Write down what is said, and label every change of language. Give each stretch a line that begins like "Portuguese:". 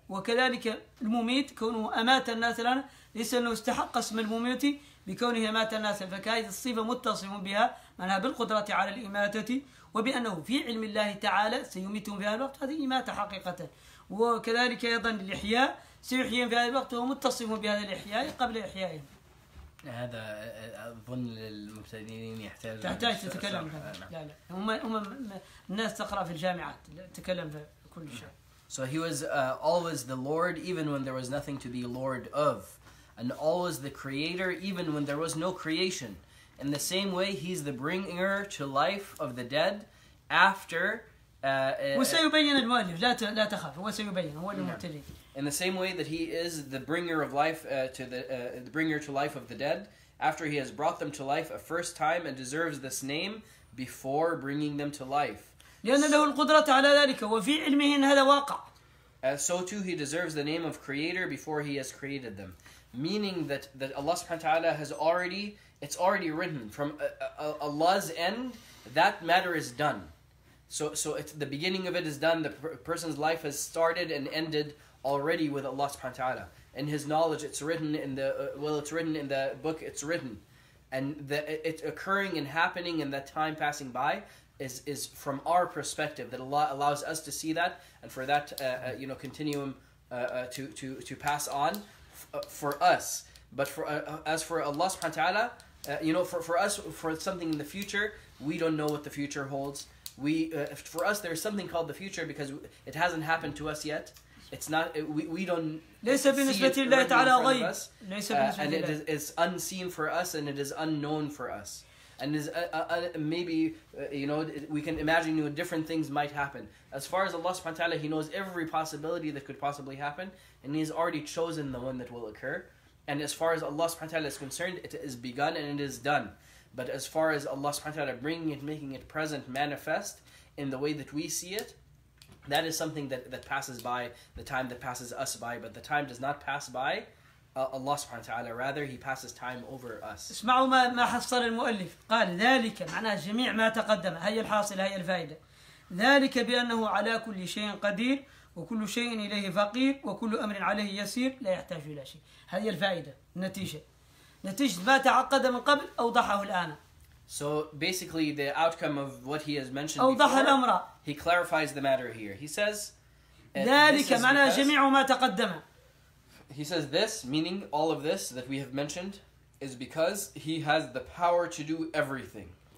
Arabic: وكذلك المميت كونه أمات الناس الآن ليس أنه استحق اسم المميت بكونه أمات الناس، فكانت الصفة متصف بها منها بالقدرة على الإماتة وبأنه في علم الله تعالى سيميتهم في هذا الوقت، هذه إماتة حقيقة. وكذلك أيضا الإحياء سيحيين في هذا الوقت ومتصف بهذا الإحياء قبل إحيائهم. هذا أظن للمبتدئين يحتاج تحتاج تتكلم فيه. لا لا، هم الناس تقرأ في الجامعات تتكلم في كل شيء.
English: So he was always the Lord even when there was nothing to be Lord of, and always the creator even when there was no creation. In the same way, he's the bringer to life of the dead after...
Arabic: وسيبين المؤلف لا تخاف وسيبين هو المبتدئ.
English: In the same way that he is the bringer of life to the bringer to life of the dead after he has brought them to life a first time and deserves this name before bringing them to life.
Arabic: لأن له القدرة على ذلك وفي علمه إن هذا واقع.
English: So too he deserves the name of creator before he has created them, meaning that Allah subhanahu wa ta'ala has already, it's already written from Allah's end, that matter is done. So it's the beginning of it is done, the person's life has started and ended already with Allah subhanahu wa ta'ala. In his knowledge it's written in the it's written in the book, it's written, and it's occurring and happening in that time passing by is from our perspective, that Allah allows us to see that and for that continuum to pass on for us. But for as for Allah subhanahu wa ta'ala, for us, for something in the future, we don't know what the future holds. For us there is something called the future because it hasn't happened to us yet. It's not, we don't
Arabic: ليس بالنسبة لله تعالى غيب.
English: And it is unseen for us and it is unknown for us. And is we can imagine different things might happen. As far as Allah subhanahu wa ta'ala, He knows every possibility that could possibly happen. And He has already chosen the one that will occur. And as far as Allah subhanahu wa ta'ala is concerned, it is begun and it is done. But as far as Allah subhanahu wa ta'ala bringing it, making it present, manifest in the way that we see it, that is something that passes by, the time that passes us by. But the time does not pass by Allah subhanahu wa ta'ala. Rather, He passes time over us.
Arabic: اسمعوا ما حصل المؤلف. قال ذلك معنى جميع ما تقدم. هي الحاصل هي الفائدة. ذلك بأنه على كل شيء قدير وكل شيء إليه فقير وكل أمر عليه يسير لا يحتاج إلى شيء. هي الفائدة. نتيجة ما تعقد من قبل أوضحه الآن.
English: So basically the outcome of what he has mentioned before, he clarifies the matter here. He says, he says this, meaning all of this that we have mentioned, is because he has the power to do everything.